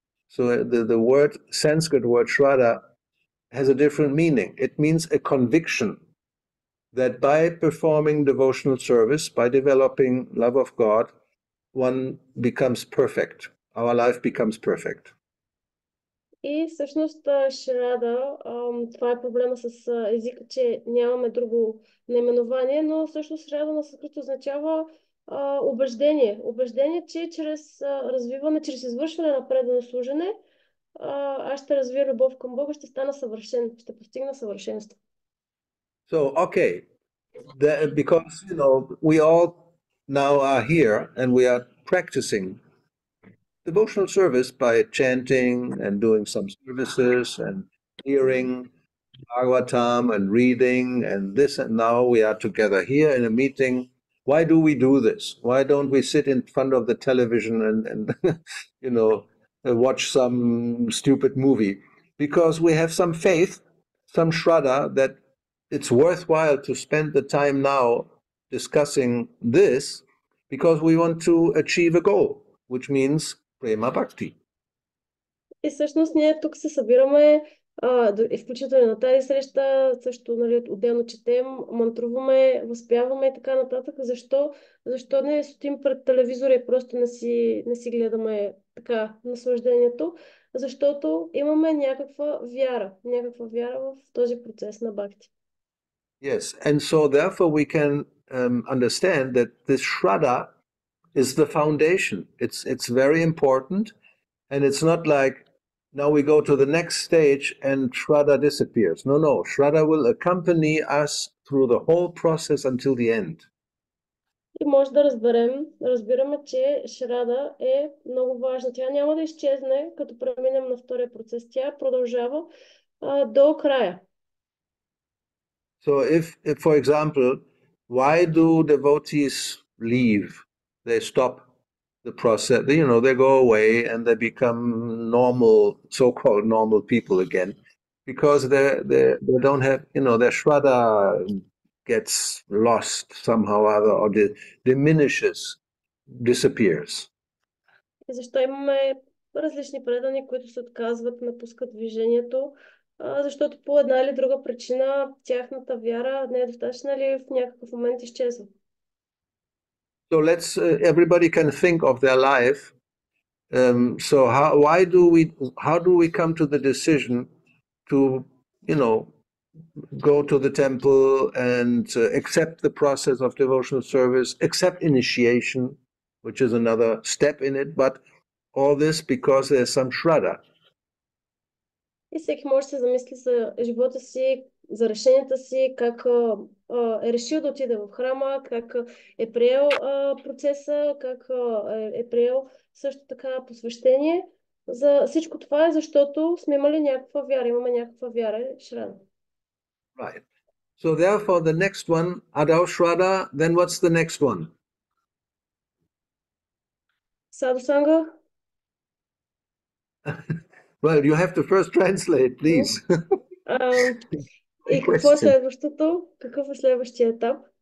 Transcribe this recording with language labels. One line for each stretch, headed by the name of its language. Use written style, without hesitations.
English: So the word, Sanskrit word shvara, has a different meaning. It means a conviction that by performing devotional service, by developing love of God, one becomes perfect. Our life becomes perfect.
Bulgarian: И всъщност шрада, това е проблема с езика, че нямаме друго наименование, но всъщност шрада на съкрит означава убеждение. Убеждение, че чрез развиване, чрез извършване на предано служене, аз ще развия любов към Бога, ще стана съвършен, ще постигна съвършенство.
English: So, okay, because, you know, we all now are here and we are practicing devotional service by chanting and doing some services and hearing Bhagavatam and reading and this, and now we are together here in a meeting. Why do we do this? Why don't we sit in front of the television and you know, watch some stupid movie? Because we have some faith, some shraddha, that it's worthwhile to spend the time now discussing this, because we want to achieve a goal, which means prema bhakti.
Bulgarian: И всъщност ние тук се събираме, включително на тази среща, също, нали, отделно четем, мантруваме, възпяваме и така нататък. Защо? Защо не стоим пред телевизора и просто не си гледаме така наслаждението? Защото имаме някаква вяра в този процес на бхакти.
English: Yes, and so therefore we can understand that this shraddha is the foundation. It's very important, and it's not like now we go to the next stage and shraddha disappears. No, no, shraddha will accompany us through the whole process until the end.
Bulgarian: И може да разбираме, че шрада е много важна. Тя няма да изчезне, като преминем на втория процес. Тя продължава до края.
English: So if for example, why do devotees leave? They stop the process, you know, they go away and they become normal, so-called normal people again, because they don't have, you know, their shraddha gets lost somehow or other, or diminishes, disappears.
Bulgarian: Защо имаме различни предани, които се отказват, напускат движението? Защото по една или друга причина тяхната вяра не е достатъчна или в някакъв момент изчезва.
English: So let's everybody can think of their life. So how do we come to the decision to, you know, go to the temple and accept the process of devotional service, accept initiation, which is another step in it, but all this because there's some shraddha.
Bulgarian: И всеки може да се замисли за живота си, за решенията си, как е решил да отиде в храма, как е приел процеса, как е приел също така посвещение. За всичко това е защото сме имали някаква вяра, имаме някаква вяра, шрада.
English: Right. So therefore the next one, adau shrada, then what's the next one? Sadhusanga. Well, you have to first translate, please.
Bulgarian: И какво е следващото? Какъв е следващия етап?